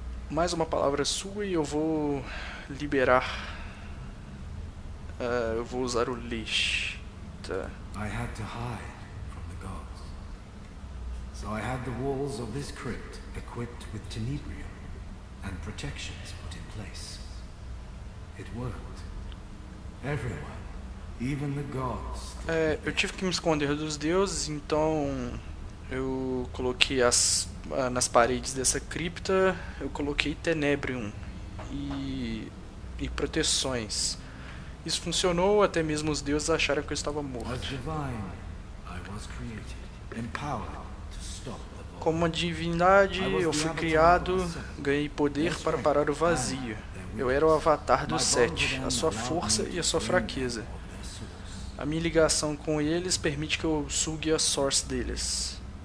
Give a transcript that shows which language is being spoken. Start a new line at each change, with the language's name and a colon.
Portuguese: Mais uma palavra sua e eu vou liberar. Eu vou usar o leash. Tá.
English: I had to hide from the gods. So I had the walls of this crypt equipped with Tenebrium. And protections put in place. It worked. Everyone, even the gods.
Portuguese: Eu tive que me esconder dos deuses, então eu coloquei nas paredes dessa cripta, eu coloquei Tenebrium e proteções. Isso funcionou, até mesmo os deuses acharam que eu estava morto.
English: As divine, I was created, empowered.
Portuguese: Como uma divindade, eu fui criado, ganhei poder para parar o vazio. Eu era o avatar do Sete, a sua força e a sua fraqueza. A minha ligação com eles permite que eu sugue a Source deles.